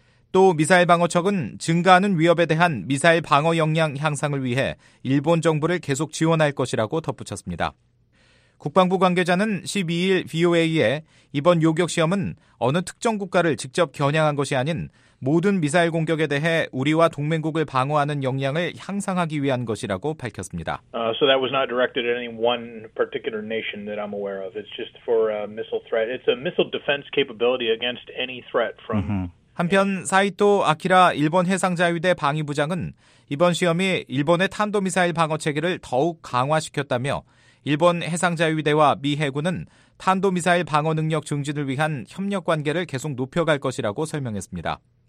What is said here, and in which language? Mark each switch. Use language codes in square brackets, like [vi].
[ko] 또 미사일 방어척은 증가하는 위협에 대한 미사일 방어 역량 향상을 위해 일본 정부를 계속 지원할 것이라고 덧붙였습니다. 국방부 관계자는 12일 VOA에 이번 요격시험은 어느 특정 국가를 직접 겨냥한 것이 아닌 모든 미사일 공격에 대해 우리와 동맹국을 방어하는 역량을 향상하기 위한 것이라고 밝혔습니다. [en] So that was not directed at any one particular nation that I'm aware of. It's just for a missile threat. It's a missile defense capability against any threat from... [ko] 한편 사이토 아키라 일본 해상자위대 방위부장은 이번 시험이 일본의 탄도미사일 방어체계를 더욱 강화시켰다며 일본 해상자위대와 미 해군은 탄도미사일 방어 능력 증진을 위한 협력 관계를 계속 높여갈 것이라고 설명했습니다.